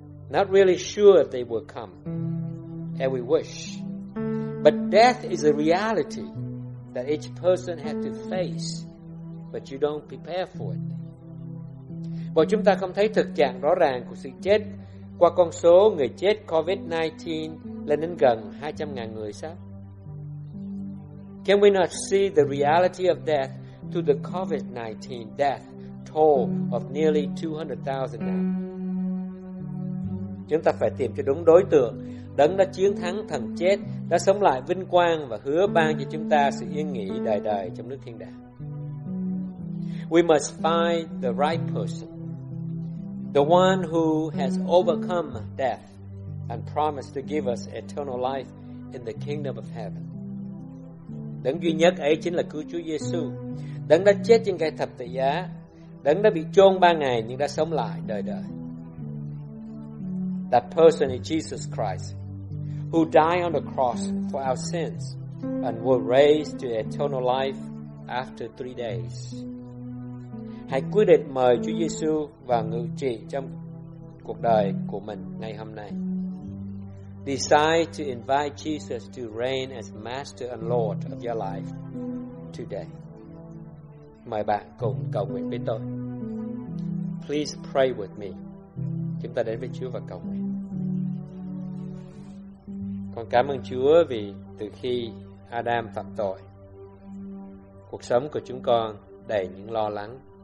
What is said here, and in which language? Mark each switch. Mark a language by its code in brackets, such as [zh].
[en] Not really sure if they will come, and we wish. But death is a reality that each person has to face, but you don't prepare for it. [vi] Bởi chúng ta không thấy thực trạng rõ ràng của sự chết qua con số người chết COVID-19 lên đến gần 200.000 người sao? [en] Can we not see the reality of death through the COVID-19 death toll of nearly 200,000 now? [vi] Chúng ta phải tìm cho đúng đối tượng, đấng đã chiến thắng thần chết, đã sống lại vinh quang và hứa ban cho chúng ta sự yên nghỉ đời đời trong nước thiên đàng. [en] We must find the right person, the one who has overcome death and promised to give us eternal life in the kingdom of heaven. [vi] Đấng duy nhất ấy chính là Cứu Chúa Giê-xu, đấng đã chết trên cây thập tự giá, đấng đã bị chôn 3 ngày nhưng đã sống lại đời đời. [en] That person is Jesus Christ, who died on the cross for our sins and was raised to eternal life after 3 days. [vi] Hãy quyết định mời Chúa Giê-xu vào ngự trị trong cuộc đời của mình ngày hôm nay. [en] Decide to invite Jesus to reign as Master and Lord of your life today. [vi] Mời bạn cùng cầu nguyện với tôi. [en] Please pray with me. [vi] Chúng ta đến với Chúa và cầu nguyện. Con cảm ơn Chúa vì từ khi Adam phạm tội, cuộc sống của chúng con đầy những lo lắng.